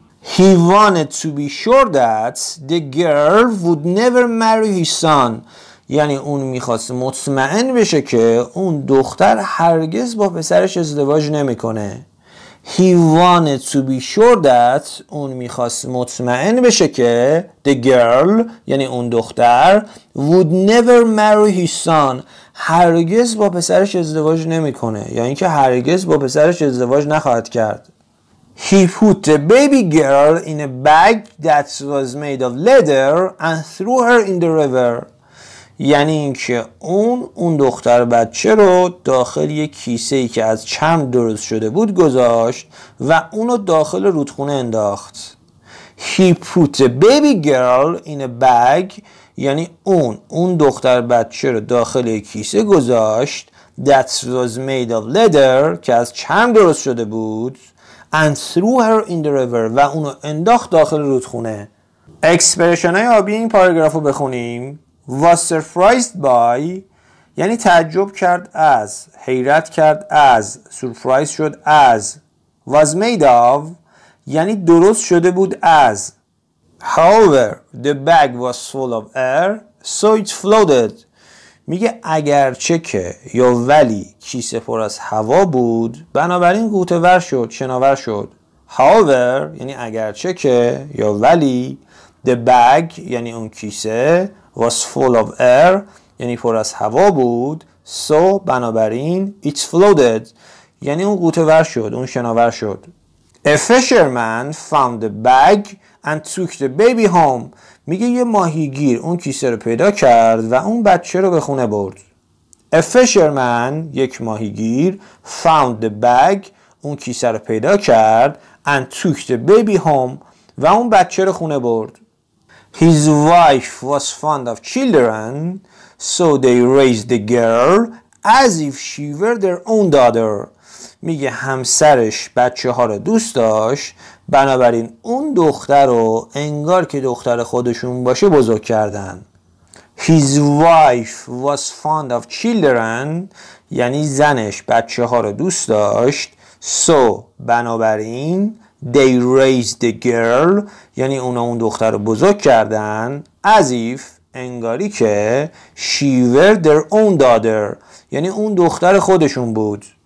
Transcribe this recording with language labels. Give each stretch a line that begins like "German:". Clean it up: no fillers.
English: He wanted to be sure that the girl would never marry his son.
Persian: یعنی اون میخواست مطمئن بشه که اون دختر هرگز با پسرش ازدواج نمیکنه.
English: He wanted to be sure that
Persian: اون میخواست مطمئن بشه که
English: the girl
Persian: یعنی اون دختر
English: would never marry his son
Persian: هرگز با پسرش ازدواج نمیکنه یا اینکه هرگز با پسرش ازدواج نخواهد کرد.
English: He put the baby girl in a bag that was made of leather and threw her in the river
Persian: یعنی اینکه اون دختر بچه رو داخل یه کیسه‌ای که از چرم درست شده بود گذاشت و اونو داخل رودخونه انداخت.
English: He put the baby girl in a bag.
Persian: یعنی اون دختر بچه رو داخل یه کیسه گذاشت
English: that was made of leather
Persian: که از چرم درست شده بود
English: and threw her in the river
Persian: و اونو انداخت داخل رودخونه. اکسپرشن های آبی این پاراگراف رو بخونیم.
English: Was surprised by
Persian: یعنی تعجب کرد از، حیرت کرد از، surprise شد از،
English: was made of
Persian: یعنی درست شده بود از.
English: However the bag was full of air so it floated.
Persian: میگه اگرچه که یا ولی کیسه پر از هوا بود بنابراین غوطه ور شد، شناور شد. However یعنی اگرچه که یا ولی
English: the bag
Persian: یعنی اون کیسه
English: was full of air
Persian: یعنی پر از هوا بود so بنابراین
English: it floated
Persian: یعنی اون غوطه ور شد، اون شناور شد.
English: A fisherman found the bag and took the baby home.
Persian: میگه یه ماهیگیر اون کیسه رو پیدا کرد و اون بچه رو به خونه برد.
English: A fisherman
Persian: یک ماهیگیر
English: found the bag
Persian: اون کیسه رو پیدا کرد
English: and took the baby home
Persian: و اون بچه رو خونه برد.
English: His wife was fond of children so they raised the girl as if she were their own daughter.
Persian: میگه همسرش بچه ها رو دوست داشت بنابراین اون دختر رو انگار که دختر خودشون باشه بزرگ کردن.
English: His wife was fond of children
Persian: یعنی زنش بچه ها رو دوست داشت so بنابراین
English: they raised the girl
Persian: یعنی اونا اون دختر رو بزرگ کردن
English: as if
Persian: انگاری که
English: she were their own daughter
Persian: یعنی اون دختر خودشون بود.